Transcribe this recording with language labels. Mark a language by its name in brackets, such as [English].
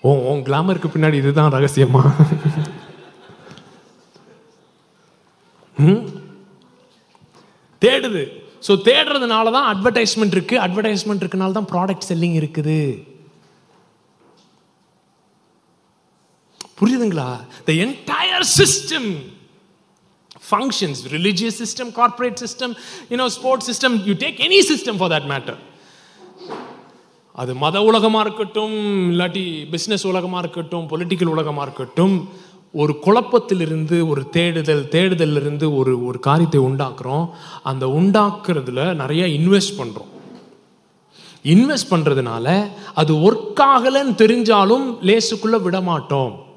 [Tamil] Own கிளாமருக்கு பின்னாடி இதுதான் ரகசியமா? தேடுது. சோ தேடுறதுனாலதான் அட்வர்டைஸ்மெண்ட் இருக்கு. அட்வர்டைஸ்மெண்ட் இருக்குனால்தான் ப்ராடக்ட் செல்லிங் இருக்குது. புரியுதுங்களா? [English] The entire system functions, religious system, corporate system, you know, sports system, you take any system for that matter. [Tamil] அது மத உலகமாக இருக்கட்டும், இல்லாட்டி பிஸ்னஸ் உலகமாக இருக்கட்டும், பொலிட்டிக்கல் உலகமாக இருக்கட்டும், ஒரு குழப்பத்திலிருந்து ஒரு தேடுதல், தேடுதலிருந்து ஒரு ஒரு காரியத்தை உண்டாக்குறோம். அந்த உண்டாக்குறதுல நிறைய இன்வெஸ்ட் பண்ணுறோம். இன்வெஸ்ட் பண்ணுறதுனால அது ஒர்க் ஆகலைன்னு தெரிஞ்சாலும் லேசுக்குள்ளே விடமாட்டோம்.